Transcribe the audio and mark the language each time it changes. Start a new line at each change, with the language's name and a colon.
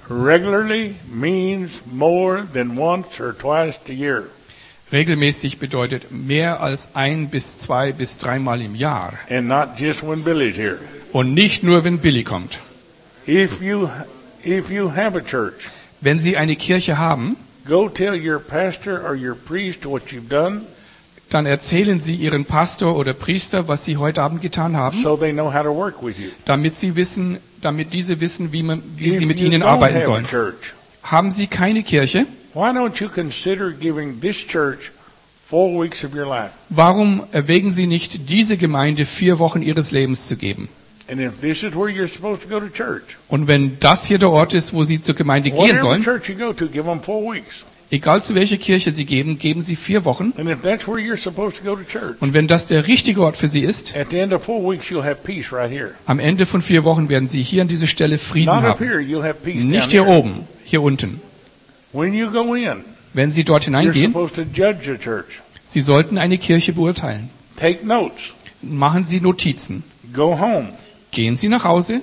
English: Regularly means more than once or twice a year.
German: Regelmäßig bedeutet mehr als ein bis zwei bis dreimal im Jahr.
English: And not just when Billy's here.
German: Und nicht nur, wenn Billy kommt.
English: If you have a church,
German: wenn Sie eine Kirche haben,
English: go tell your pastor or your priest what you've done.
German: Dann erzählen Sie Ihren Pastor oder Priester, was Sie heute Abend getan haben,
English: so they know how to work with you.
German: damit diese wissen, wie sie mit Ihnen arbeiten sollen.
English: Church,
German: haben Sie keine Kirche?
English: Why don't you consider giving this church 4 weeks of your life?
German: Warum erwägen Sie nicht, diese Gemeinde 4 Wochen Ihres Lebens zu geben?
English: And if this is where you're supposed to go to church,
German: und wenn das hier der Ort ist, wo Sie zur Gemeinde gehen sollen,
English: whatever church you go to, give them 4 weeks.
German: Egal zu welcher Kirche Sie geben, geben Sie 4 Wochen.
English: And if that's where you're supposed to go to church,
German: und wenn das der richtige Ort für Sie ist,
English: at the end of 4 weeks you'll have peace right here.
German: Am Ende von 4 Wochen werden Sie hier an dieser Stelle Frieden
English: not
German: haben.
English: Up here, you'll have peace
German: nicht hier
English: there.
German: Oben, hier unten.
English: When you go in,
German: wenn Sie dort hineingehen,
English: you're supposed to judge the church.
German: Sie sollten eine Kirche beurteilen.
English: Take notes.
German: Machen Sie Notizen.
English: Go home.
German: Gehen Sie nach Hause.